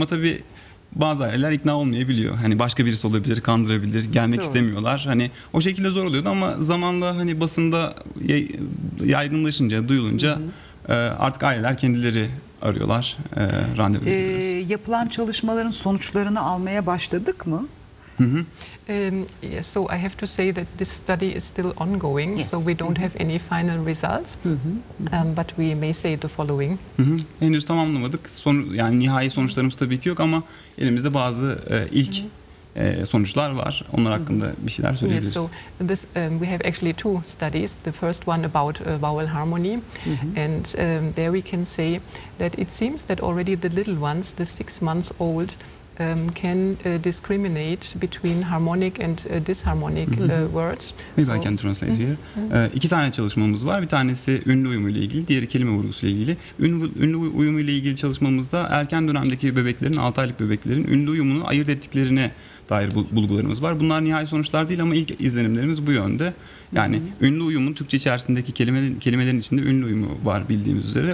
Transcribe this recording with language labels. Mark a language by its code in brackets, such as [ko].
[tr] Ama tabii bazı aileler ikna olmayabiliyor. Hani başka birisi olabilir, kandırabilir, gelmek istemiyorlar. Hani o şekilde zor oluyordu ama zamanla hani basında yaygınlaşınca, duyulunca artık aileler kendileri arıyorlar, randevu veriyoruz. Yapılan çalışmaların sonuçlarını almaya başladık mı? [en] So I have to say that this study is still ongoing. Yes. So we don't have any final results. But we may say the following. [tr] Henüz tamamlamadık. Yani nihai sonuçlarımız tabii ki yok ama elimizde bazı ilk sonuçlar var. Onlar hakkında bir şeyler söyleyebiliriz. [en] Yes, so this we have actually two studies. The first one about vowel harmony, and there we can say that it seems that already the little ones, the 6 months old, can discriminate between harmonic and disharmonic words. Maybe I can translate here. [tr] İki tane çalışmamız var. Bir tanesi ünlü uyumu ile ilgili, diğeri kelime vurgusu ile ilgili. Ünlü uyumu ile ilgili çalışmamızda erken dönemdeki bebeklerin, 6 aylık bebeklerin ünlü uyumunu ayırt ettiklerine dair bulgularımız var. Bunlar nihai sonuçlar değil ama ilk izlenimlerimiz bu yönde. Yani ünlü uyumun Türkçe içerisindeki kelimelerin içinde ünlü uyumu var bildiğimiz üzere.